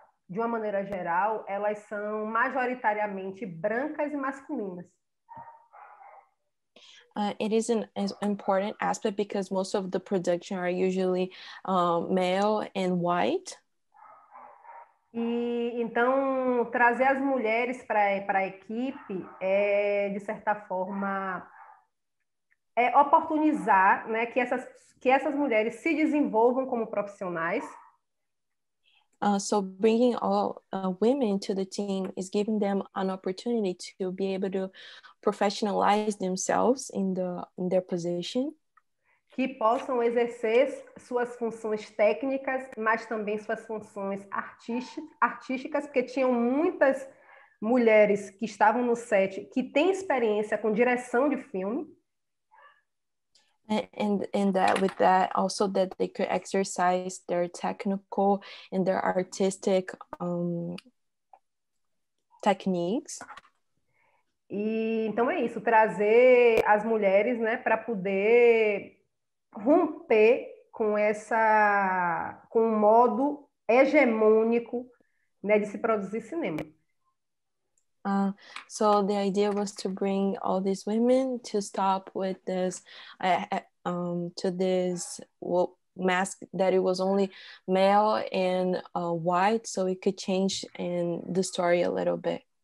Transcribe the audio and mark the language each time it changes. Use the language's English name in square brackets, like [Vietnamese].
[Portuguese] De uma maneira geral, elas são majoritariamente brancas e masculinas. [English] It is an important aspect because most of the production are usually male and white. [Portuguese] E então trazer as mulheres para a equipe é de certa forma oportunizar, né, que essas mulheres se desenvolvam como profissionais. [English] So bringing all women to the team is giving them an opportunity to be able to professionalize themselves in their position. [Portuguese] Que possam exercer suas funções técnicas, mas também suas funções artísticas, porque tinham muitas mulheres que estavam no set que têm experiência com direção de filme. [English] And that with that also that they could exercise their technical and their artistic techniques. [Portuguese] E então é isso, trazer as mulheres, né, para poder romper com o modo hegemônico, né, de se produzir cinema. [English] So the idea was to bring all these women to stop with this to this mask that it was only male and white, so it could change in the story a little bit.